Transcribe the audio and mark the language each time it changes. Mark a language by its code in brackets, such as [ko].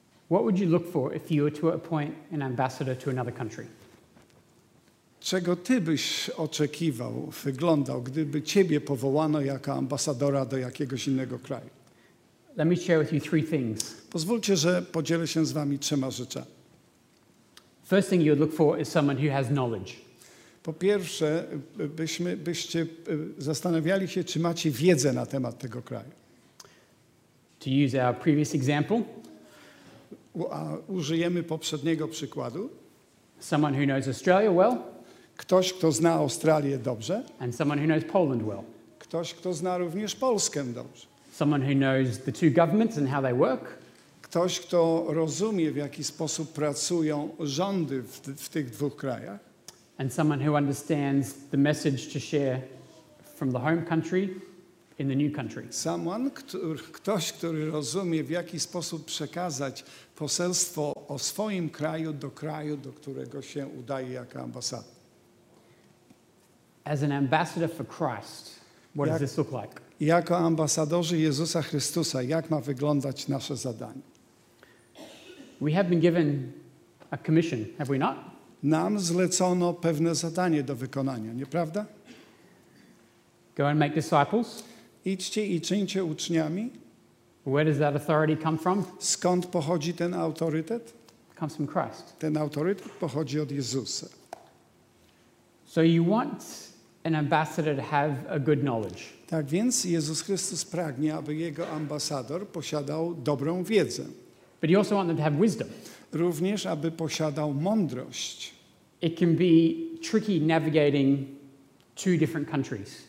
[en] What would you look for if you were to appoint an ambassador to another country? [pl] Czego ty byś oczekiwał, wyglądał, gdyby ciebie powołano jako ambasadora do jakiegoś innego kraju? [en] Let me share with you three things. [pl] Pozwólcie, że podzielę się z wami trzema rzeczami. [en] First thing you'd look for is someone who has knowledge. [pl] Po pierwsze, byście zastanawiali się, czy macie wiedzę na temat tego kraju. [en] To use our previous example. [pl] Użyjemy poprzedniego przykładu. [en] Someone who knows Australia well. [pl] Ktoś, kto zna Australię dobrze. [en] And someone who knows Poland well. [pl] Ktoś, kto zna również Polskę dobrze. [en] Someone who knows the two governments and how they work. [pl] Ktoś, kto rozumie, w jaki sposób pracują rządy w tych dwóch krajach. [en] And someone who understands the message to share from the home country in the new country. Someone, [pl] ktoś, który rozumie, w jaki sposób przekazać poselstwo o swoim kraju, do którego się udaje jako ambasador. [en] As an ambassador for Christ, what does this look like? [pl] Jako ambasadorzy Jezusa Chrystusa, jak ma wyglądać nasze zadanie? [en] We have been given a commission, have we not? [pl] Nam zlecono pewne zadanie do wykonania, nieprawda? [en] Go and make disciples. [pl] Idźcie i czyńcie uczniami. [en] Where does that authority come from? [pl] Skąd pochodzi ten autorytet? [en] It comes from Christ. [pl] Ten autorytet pochodzi od Jezusa. [en] So you want an ambassador to have a good knowledge. [pl] Tak więc Jezus Chrystus pragnie, aby jego ambasador posiadał dobrą wiedzę. [en] But you also want them to have wisdom. [pl] Również aby posiadał mądrość. [en] It can be tricky navigating two different countries.